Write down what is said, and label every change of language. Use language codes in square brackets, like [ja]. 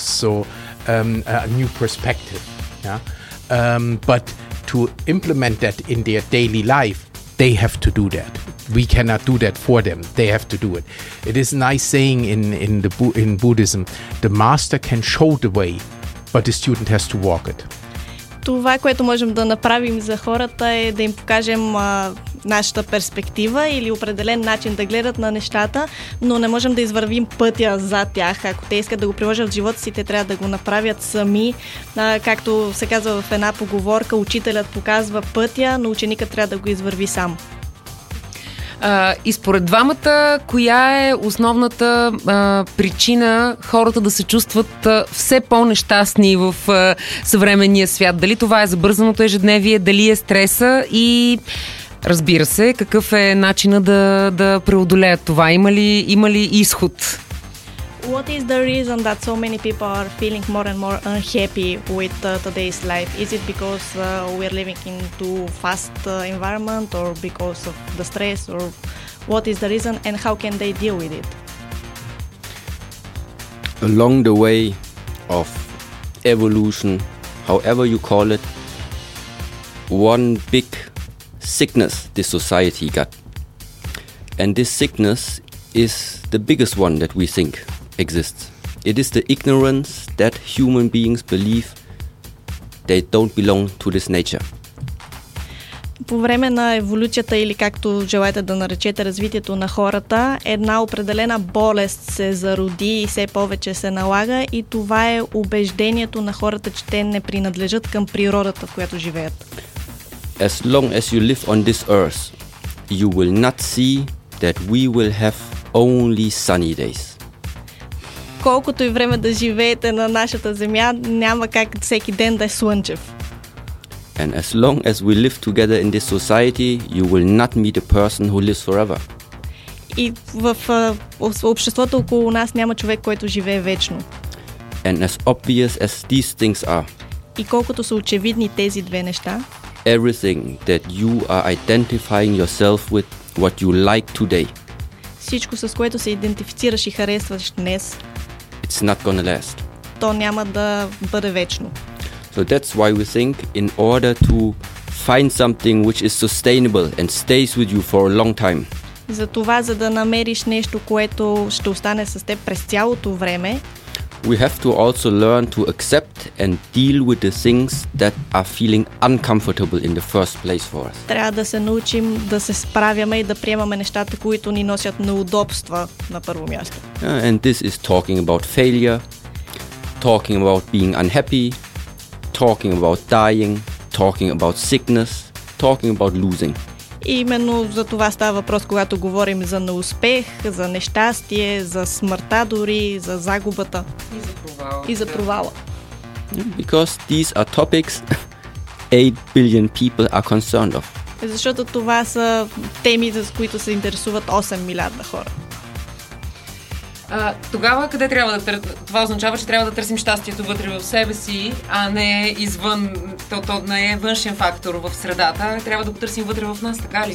[en] So a new perspective. Yeah. But to implement that in their daily life, they have to do that. We cannot do that for them. They have to do it. It is a nice saying in Buddhism, the master can show the way, but the student has to walk it. [bg] Това, което можем да направим за хората е да им покажем нашата перспектива или определен начин да гледат на нещата, но не можем да извървим пътя за тях. Ако те искат да го приложат в живота си, те трябва да го направят сами. Както се казва в една поговорка, учителят показва пътя, но ученикът трябва да го извърви сам. И според двамата, коя е основната причина хората да се чувстват все по-нещастни в съвременния свят? Дали това е забързаното ежедневие, дали е стреса и разбира се, какъв е начинът да преодолеят това? Има ли изход? [en] What is the reason that so many people are feeling more and more unhappy with today's life? Is it because we are living in too fast environment or because of the stress? Or what is the reason and how can they deal with it? Along the way of evolution, however you call it, one big sickness this society got. And this sickness is the biggest one that we think exists. It is the ignorance that human beings believe they don't belong to this nature. [bg] По време на еволюцията или както желаете да наречете развитието на хората, една определена болест се зароди и все повече се налага и това е убеждението на хората, че те не принадлежат към природата, в която живеят. [en] As long as you live on this earth, you will not see that we will have only sunny days. [bg] Колкото и време да живеете на нашата земя, няма как всеки ден да е слънчев. [en] And as long as we live together in this society, you will not meet a person who lives forever. [bg] И в обществото около нас няма човек, който живее вечно. [en] And as obvious as these things are. [bg] И колкото са очевидни тези две неща. [en] Everything that you are identifying yourself with, what you like today. [bg] Всичко с което се идентифицираш и харесваш днес. [en] It's not gonna last. [bg] То няма да бъде вечно. [en] So that's why we think in order to find something which is sustainable and stays with you for a long time. [bg] За това, за да намериш нещо, което ще остане с теб през цялото време. [en] We have to also learn to accept and deal with the things that are feeling uncomfortable in the first place for us. [bg] Трябва да се научим да се справяме и да приемаме нещата, които ни носят неудобства на първо място. [en] And this is talking about failure, talking about being unhappy, talking about dying, talking about sickness, talking about losing. [bg] И именно за това става въпрос, когато говорим за неуспех, за нещастие, за смъртта дори, за загубата и за провала. [en] Because these are topics 8 billion people are concerned of. [bg] Защото това са теми, за които се интересуват 8 милиарда хора. Тогава къде трябва да търсим? Това означава, че трябва да търсим щастието вътре в себе си, а не извън, то не е външен фактор в средата, трябва да го търсим вътре в нас, така ли?